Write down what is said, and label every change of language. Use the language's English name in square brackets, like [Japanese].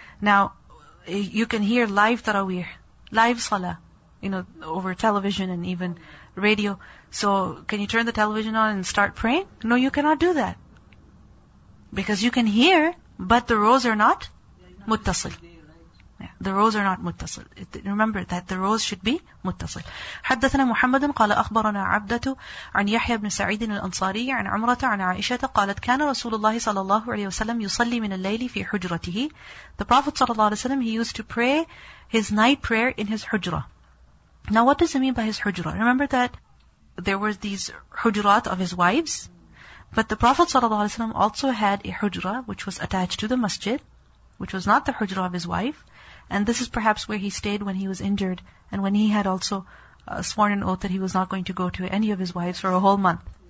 [English] Now, you can hear live tarawih, live salah, you know, over television and even radio. So, can you turn the television on and start praying? No, you cannot do that. Because you can hear, but the rows are not muttasil. The rows are not muttasil. Remember that the rows should be muttasil. [Arabic] حدثنا محمد قال أخبرنا عبدة عن يحيى بن سعيد الأنصاري عن عمرة عن عائشة قالت كان رسول الله صلى الله عليه وسلم يصلي من الليل في حجرته. [English] The Prophet [Arabic] صلى الله عليه وسلم, [English] he used to pray his night prayer in his حجرة. Now what does it mean by his حجرة? Remember that there were these حجرات of his wives, but the Prophet [Arabic] صلى الله عليه وسلم [English] also had a حجرة which was attached to the masjid, which was not the حجرة of his wife. And this is perhaps where he stayed when he was injured, and when he had also sworn an oath that he was not going to go to any of his wives for a whole month.